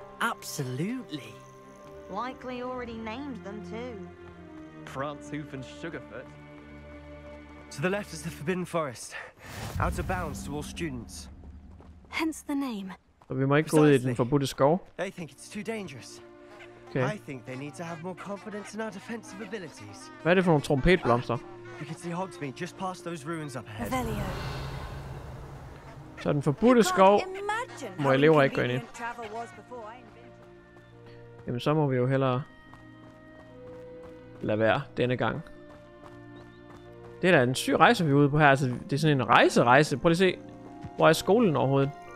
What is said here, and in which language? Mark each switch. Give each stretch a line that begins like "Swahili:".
English: Absolutely. Likely already named them too. Prancehoof and Sugarfoot. To the left is the Forbidden Forest. Out of bounds to all students. Hence the name.
Danish: Og vi må ikke gå ud i den forbudte skov.
English: They think it's too dangerous. Okay. I think they need to have more confidence in our defensive abilities.
Danish: Hvad er det for nogle trompetblomster?
English: You can see Hogsmeade just past those ruins up ahead. Avelio.
Danish: Så den forbudte skov må elever ikke gå ind i. Jamen så må vi jo hellere lade være denne gang. Det er da en syg rejse, vi er ude på her. Altså, det er sådan en rejse. Prøv lige at se. Hvor er skolen overhovedet?